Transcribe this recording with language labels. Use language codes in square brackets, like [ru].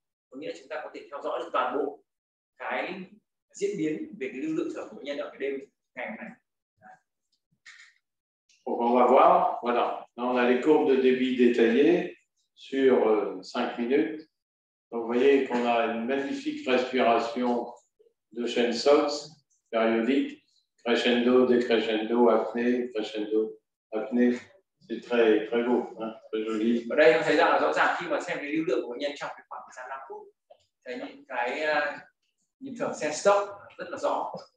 [vi] Có nghĩa là chúng ta có thể theo dõi được toàn bộ cái diễn biến về cái lưu lượng thở của bệnh nhân ở cái đêm ngày hôm nay. [fr] Donc on va voir, voilà. Là, on a les courbes de débit détaillées sur 5 minutes. Donc, vous voyez qu'on a une magnifique respiration de chaîne SOX périodique, crescendo, décrescendo, apnée, crescendo, apnée. C'est très, très beau, hein, très joli. [vi] Ở đây, on thấy rằng là rõ ràng khi mà xem cái lưu lượng của bệnh nhân trong khoảng thời gian 5 phút, thấy những cái nhịp thở xe stop rất là rõ.